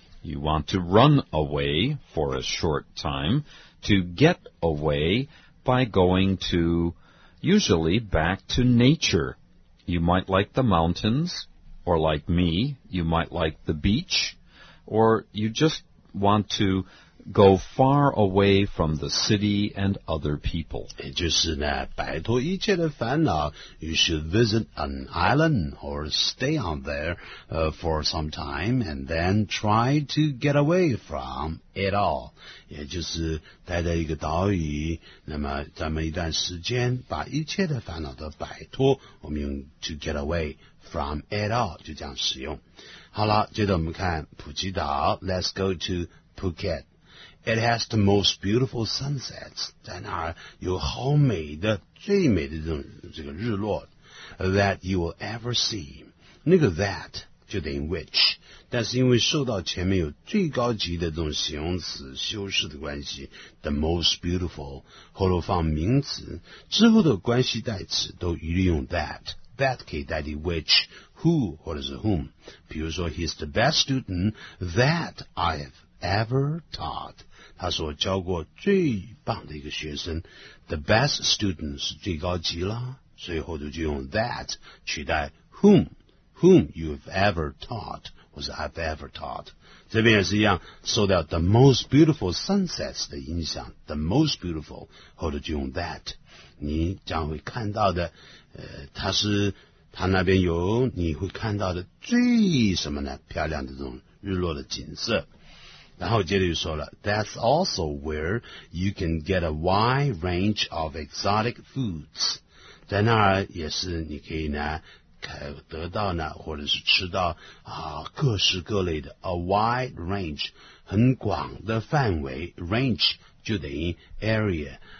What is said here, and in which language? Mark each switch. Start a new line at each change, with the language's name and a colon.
English: You want to run away for a short time to get away by going to, usually back to nature. You might like the mountains, or like me, you might like the beach.Or you just want to go far away from the city and other people.
Chinese: 就是呢，摆脱一切的烦恼。
English: You should visit an island or stay on there, for some time and then try to get away from it all.
Chinese: 也就是待在一个岛屿，那么咱们一段时间把一切的烦恼都摆脱。我们用
English: to get away from it all
Chinese: 就这样使用。好了，接着我们看普吉岛。
English: Let's go to Phuket. It has the most beautiful sunsets.
Chinese: 在那儿有好美的、最美的这个日落
English: that you will ever see.
Chinese: 那个 that 就等于 which， 但是因为受到前面有最高级的这种形容词修饰的关系 ，
English: the most beautiful
Chinese: 后头放名词之后的关系代词都一律用 that。
English: That
Chinese: 可以代替
English: which, who,
Chinese: 或者是
English: whom.
Chinese: 比如说
English: he's the best student that I've ever taught.
Chinese: 他是我教过最棒的一个学生。
English: The best student
Chinese: 是最高级啦。所以后头就用
English: that
Chinese: 取代
English: whom you've ever taught,
Chinese: 或是
English: I've ever taught.
Chinese: 这边也是一样，受到
English: the most beautiful sunsets
Chinese: 的影响。
English: The most beautiful,
Chinese: 后头就用
English: that。
Chinese: 你将会看到的他那边有你会看到的最什么呢漂亮的这种日落的景色。然后接着就说了
English: That's also where you can get a wide range of exotic foods.
Chinese: 在那儿也是你可以呢得到呢或者是吃到啊各式各类的
English: a wide range,
Chinese: 很广的范围 range,就等于 area,